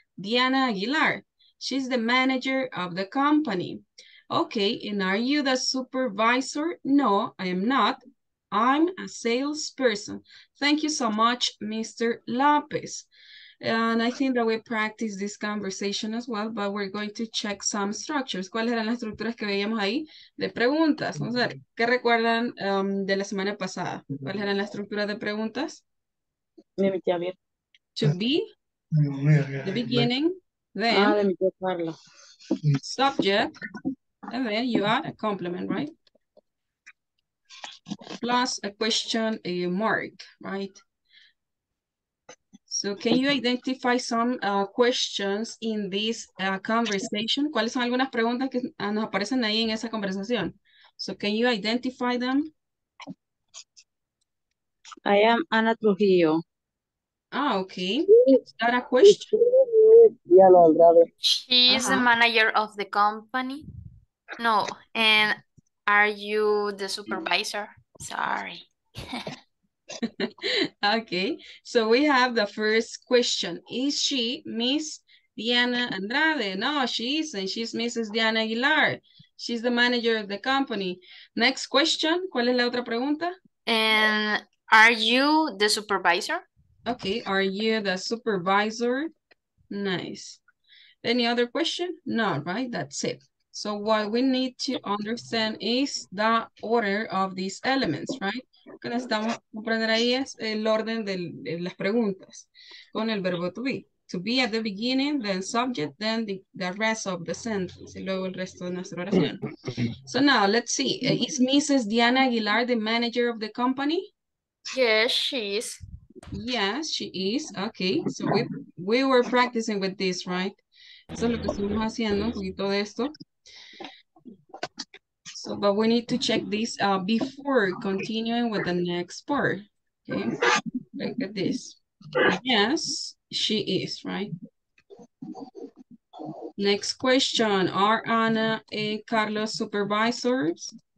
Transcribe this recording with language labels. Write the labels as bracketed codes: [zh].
[en] Diana Aguilar. She's the manager of the company. Okay, and are you the supervisor? No, I am not. I'm a salesperson. Thank you so much, Mr. Lopez. And I think that we practice this conversation as well, but we're going to check some structures. [es] ¿Cuáles eran las estructuras que veíamos ahí de preguntas? Vamos a ver, ¿qué recuerdan de la semana pasada? ¿Cuáles eran las estructuras de preguntas? Me metí a ver. [en] To be, the beginning, then, [es] de mi tía Carla. [en] Subject, and then you add a complement, right? Plus a question mark, right? So can you identify some questions in this conversation? ¿Cuáles son algunas preguntas que nos aparecen ahí en esa conversación? So can you identify them? I am Ana Trujillo. Ah, okay. Is that a question? She is the manager of the company. No, and are you the supervisor? Sorry. Okay, so we have the first question. Is she Miss Diana Andrade? No, she isn't. She's Mrs. Diana Aguilar. She's the manager of the company. Next question. [es] ¿Cuál es la otra pregunta? [en] And are you the supervisor? Okay, are you the supervisor? Nice. Any other question? No, right? That's it. So what we need to understand is the order of these elements, right? [es] Lo que necesitamos comprender ahí es el orden de las preguntas con el verbo to be. [en] To be at the beginning, then subject, then the rest of the sentence, [es] y luego el resto de nuestra oración. [en] So now, let's see. Is Mrs. Diana Aguilar the manager of the company? Yes, she is. Yes, she is. Okay, so we were practicing with this, right? [es] Eso es lo que estuvimos haciendo, un poquito de esto. [en] So, but we need to check this before continuing with the next part. Okay, look at this. Yes, she is, right? Next question. Are Ana and Carlos supervisors?